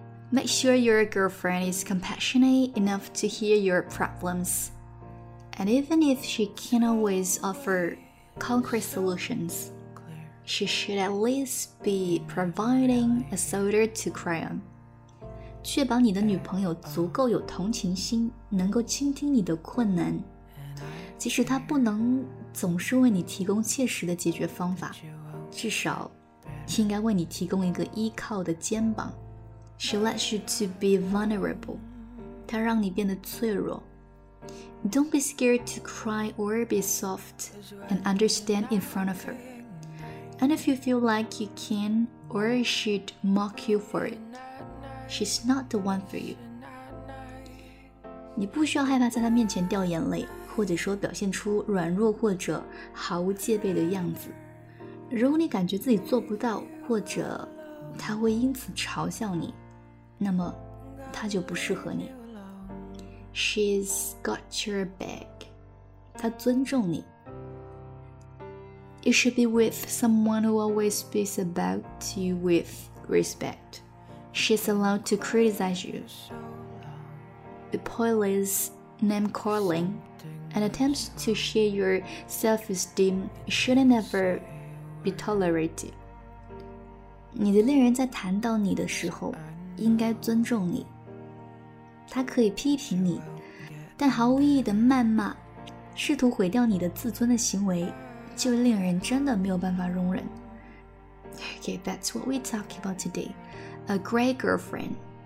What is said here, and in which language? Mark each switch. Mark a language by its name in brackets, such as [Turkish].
[English] Make sure your girlfriend is compassionate enough to hear your problems. And even if she can't always offer concrete solutions, she should at least be providing a shoulder to cry on. [Chinese] 确保你的女朋友足够有同情心，能够倾听你的困难，即使她不能总是为你提供切实的解决方法，至少她应该为你提供一个依靠的肩膀。 [English] She lets you to be vulnerable. [Chinese] 她让你变得脆弱。 [English] Don't be scared to cry or be soft and understand in front of her. And if you feel like you can or should mock you for it, she's not the one for you. [Chinese] 你不需要害怕在她面前掉眼泪，或者说表现出软弱或者毫无戒备的样子。如果你感觉自己做不到，或者她会因此嘲笑你，那么她就不适合你。 [English] She's got your back. [Chinese] 她尊重你。 [English] You should be with someone who always speaks about you with respect. She's allowed to criticize you. The pointless name calling and attempts to share your self-esteem shouldn't ever be tolerated. [Chinese] 你的恋人在谈到你的时候应该尊重你，他可以批评你，但毫无意义的谩骂，试图毁掉你的自尊的行为，就令人真的没有办法容忍。 [English] Okay, that's what we talk about today. A great girlfriend.